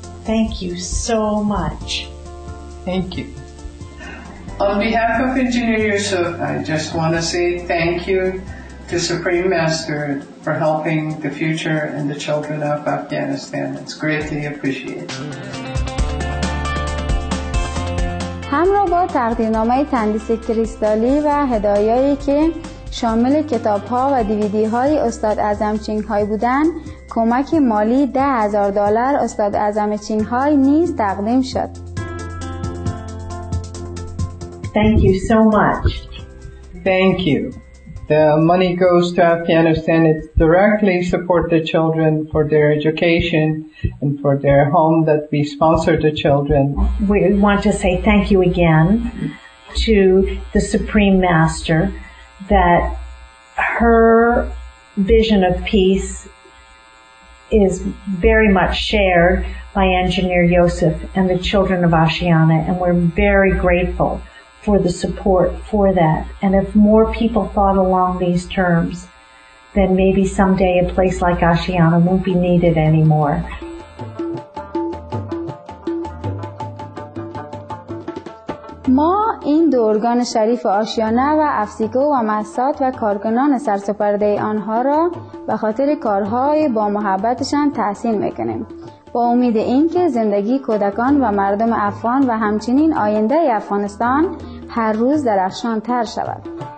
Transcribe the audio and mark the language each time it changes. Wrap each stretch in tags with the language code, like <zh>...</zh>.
<en>Thank you so much. Thank you. On behalf of Engineer Youssef, I just want to say thank you to Supreme Master for helping the future and the children of Afghanistan. It's greatly appreciated.</en> <fa>همراه با تقدیرنامه تندیس کریستالی و هدایایی که شامل کتاب‌ها و دیویدی های استاد اعظم چینگهای بودن، کمک مالی $10,000 استاد اعظم چینگهای نیز تقدیم شد.</fa> <en>Thank you so much. Thank you. The money goes to Afghanistan. It directly support the children for their education and for their home that we sponsor the children. We want to say thank you again to the Supreme Master that her vision of peace is very much shared by Engineer Youssef and the children of Ashiana, and we're very grateful for the support for that. And if more people thought along these terms, then maybe someday a place like Ashiana won't be needed anymore.</en> <fa>ما این دو ارگان شریف آشیانا و افسیگو و مسات و کارگنان سرسپرده آنها را به خاطر کارهای با محبتشان تحسین میکنیم، با امید اینکه زندگی کودکان و مردم افغان و همچنین آینده افغانستان هر روز درخشان تر شود.</fa>